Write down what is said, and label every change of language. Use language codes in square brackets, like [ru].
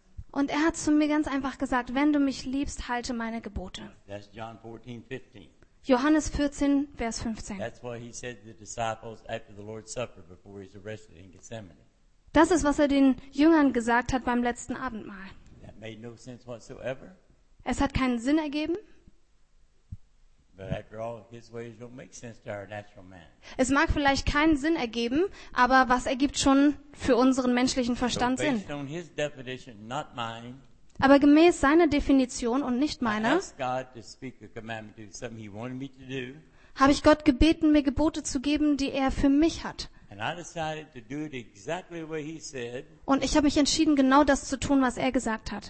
[de] Und er hat zu mir ganz einfach gesagt, wenn du mich liebst, halte meine Gebote. [en] That's John 14, 15. [de] Johannes 14, Vers 15. [en] That's what he said to the disciples after the Lord's Supper before he was arrested in Gethsemane. [de] Das ist, was er den Jüngern gesagt hat beim letzten Abendmahl. [en] That made no sense whatsoever. [de] Es hat keinen Sinn ergeben. [en] But after all, his ways don't make sense to our natural man. [de] Es mag vielleicht keinen Sinn ergeben, aber was ergibt schon für unseren menschlichen Verstand [en] so based [de] Sinn? [en] On his definition, not mine, [de] aber gemäß seiner Definition und nicht meiner, [en] I asked God to speak a commandment to something he wanted me to do, [de] habe ich Gott gebeten, mir Gebote zu geben, die er für mich hat. [en] And I decided to do it exactly what he said, [de] und ich habe mich entschieden, genau das zu tun, was er gesagt hat.